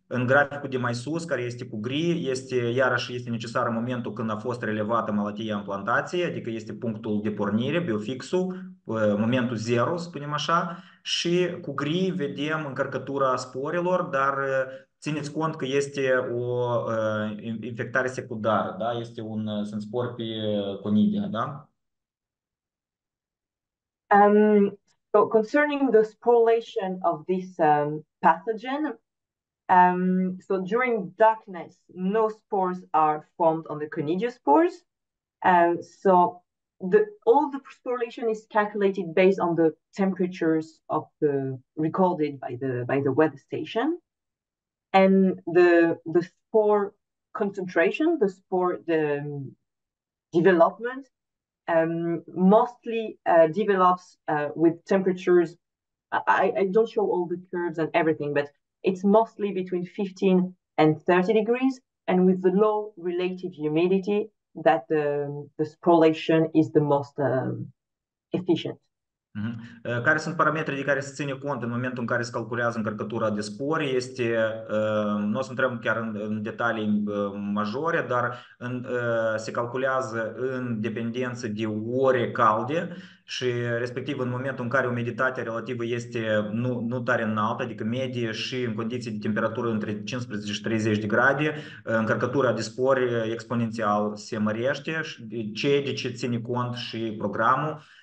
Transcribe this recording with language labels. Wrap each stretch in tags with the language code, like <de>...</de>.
<ro>În graficul de mai sus, care este cu gri, este iarăși necesar momentul când a fost relevată malatia în plantație, adică este punctul de pornire, biofixul, momentul zero, spunem așa, și cu gri vedem încărcătura sporilor, dar țineți cont că este o infectare secundară, da? Este un sunt spor pe conidia, da?</ro> <en>So concerning the sporulation of this pathogen, so during darkness, no spores are formed on the conidia spores. So all the sporulation is calculated based on the temperatures of the recorded by the weather station. And the spore concentration, the spore development, mostly develops with temperatures. I don't show all the curves and everything, but it's mostly between 15 and 30 degrees, and with the low relative humidity, that the sprawlation is the most efficient.</en> <ro>Care sunt parametrii de care se ține cont în momentul în care se calculează încărcătura de spori? Este, nu o să intrăm chiar în detalii majore, dar se calculează în dependență de ore calde și respectiv în momentul în care umiditatea relativă este nu tare înaltă, adică medie, și în condiții de temperatură între 15 și 30 de grade, încărcătura de spori exponențial se mărește, ce ține cont și programul.</ro>